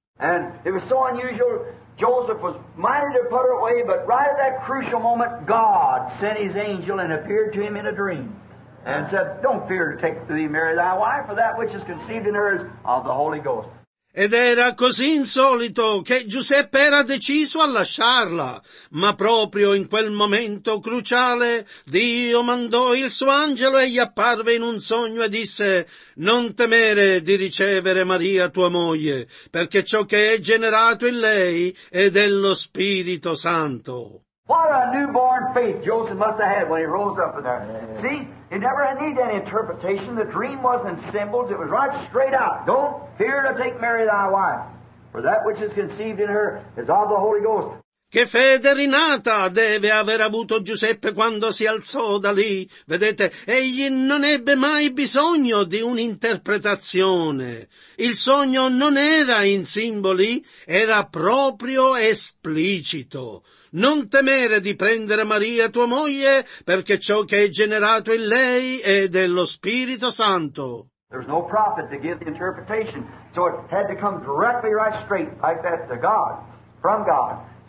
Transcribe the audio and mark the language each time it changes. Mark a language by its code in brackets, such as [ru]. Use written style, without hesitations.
[en] And it was so unusual. Joseph was minded to put her away, but right at that crucial moment, God sent his angel and appeared to him in a dream and said, "Don't fear to take thee Mary thy wife, for that which is conceived in her is of the Holy Ghost." [it] Ed era così insolito che Giuseppe era deciso a lasciarla, ma proprio in quel momento cruciale Dio mandò il suo angelo e gli apparve in un sogno e disse: "Non temere di ricevere Maria tua moglie, perché ciò che è generato in lei è dello Spirito Santo." [en] What a newborn faith Joseph must have had when he rose up in there. See, he never had need any interpretation. The dream wasn't symbols. It was right straight out. "Don't fear to take Mary thy wife, for that which is conceived in her is of the Holy Ghost." [it] Che fede rinata deve aver avuto Giuseppe quando si alzò da lì. Vedete, egli non ebbe mai bisogno di un'interpretazione. Il sogno non era in simboli, era proprio esplicito. "Non temere di prendere Maria tua moglie, perché ciò che è generato in lei è dello Spirito Santo." [en] There's no prophet to give the interpretation, so it had to come directly right straight like that to God, from God.